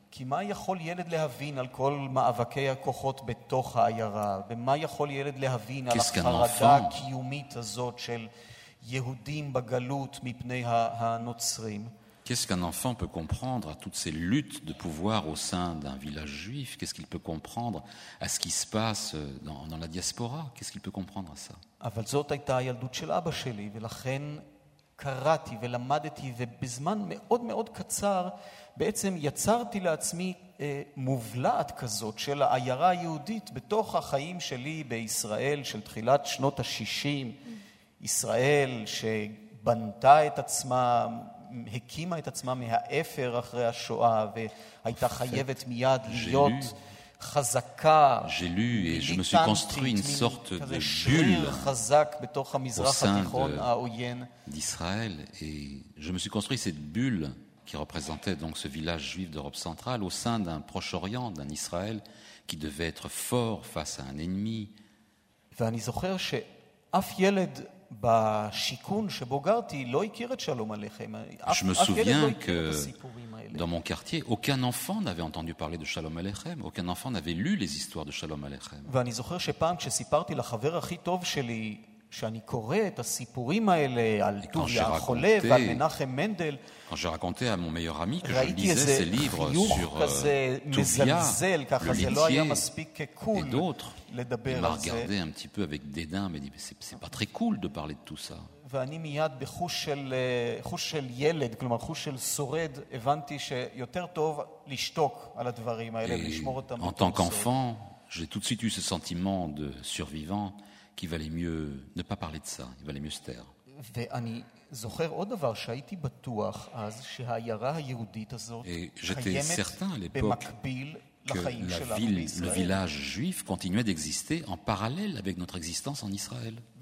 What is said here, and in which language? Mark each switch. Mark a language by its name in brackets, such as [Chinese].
[Hebrew] כי מה יכול ילד להבין על כל מאבקי הכוחות בתוך העיירה? ומה יכול ילד להבין על החרדה הקיומית הזאת של יהודים בגלות מפני הנוצרים? [French] Qu'est-ce qu'un enfant peut comprendre à toutes ces luttes de pouvoir au sein d'un village juif? Qu'est-ce qu'il peut comprendre à ce qui se passe dans la diaspora? Qu'est-ce qu'il peut comprendre à ça? [Hebrew] אבל זאת הייתה הילדות של אבא שלי, ולכן קראתי ולמדתי, ובזמן מאוד מאוד קצר בעצם יצרתי לעצמי מובלעת כזאת של העיירה היהודית בתוך החיים שלי בישראל של תחילת שנות ה-60, ישראל שבנתה את עצמה, הקימה את עצמה מהאפר אחרי השואה, והייתה חייבת מיד להיות חזקה. [French] J'ai lu et je me suis construit une sorte de bulle au sein d'Israël, et je me suis construit cette bulle qui représentait donc ce village juif d'Europe centrale au sein d'un Proche-Orient, d'un Israël qui devait être fort face à un ennemi. [Hebrew] ואני זוכר שאף ילד בשיקון שבוגרתי לא הכיר את שלום עליכם. [French] Je me souviens que dans mon quartier, aucun enfant n'avait entendu parler de Shalom Aleichem, aucun enfant n'avait lu les histoires de Shalom Aleichem. [Hebrew] ואני זוכר שפעם כשסיפרתי לחבר הכי טוב שלי שאני קורא את הסיפורים האלה על טוביה החולה ועל מנחם מנדל, [French] quand j'ai raconté à mon meilleur ami que je lisais ces livres sur Tuvia, le litier, et d'autres, il m'a regardé un petit peu avec dédain, mais dit, mais c'est pas très cool de parler de tout ça. [Hebrew] ואני מיד בחוש של ילד, כלומר חוש של שורד, הבנתי שיותר טוב לשתוק על הדברים האלה ולשמור אותם. [French] En tant qu'enfant, j'ai tout de suite eu ce sentiment de survivant qu'il valait mieux ne pas parler de ça, il valait mieux se taire. [Hebrew] ואני זוכר עוד דבר שהייתי בטוח אז שהעיירה היהודית הזאת קיימת במקביל [French] que le village juif continuait d'exister en parallèle avec notre existence en Israël.